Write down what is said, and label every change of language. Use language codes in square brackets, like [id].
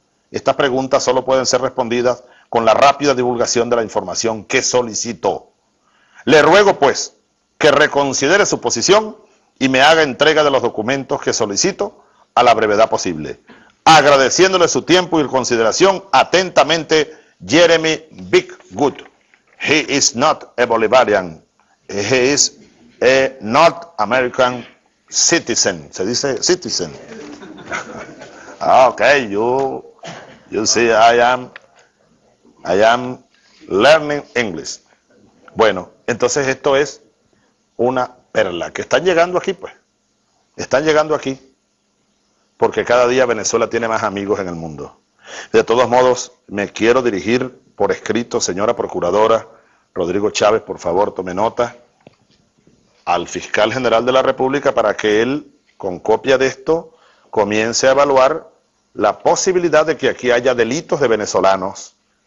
[es] Estas preguntas solo pueden ser respondidas con la rápida divulgación de la información que solicitó. Le ruego, pues, que reconsidere su posición y me haga entrega de los documentos que solicito a la brevedad posible. Agradeciéndole su tiempo y consideración, atentamente, Jeremy Bigwood. [en] He is not a Bolivarian. He is a North American citizen. [es] Se dice citizen. [en] Okay, you see, I am learning English. [es] Bueno, entonces esto es una perla que están llegando aquí, pues. Están llegando aquí porque cada día Venezuela tiene más amigos en el mundo. De todos modos, me quiero dirigir por escrito, señora procuradora Rodrigo Chávez, por favor, tome nota, al fiscal general de la República para que él, con copia de esto, comience a evaluar la posibilidad de que aquí haya delitos de venezolanos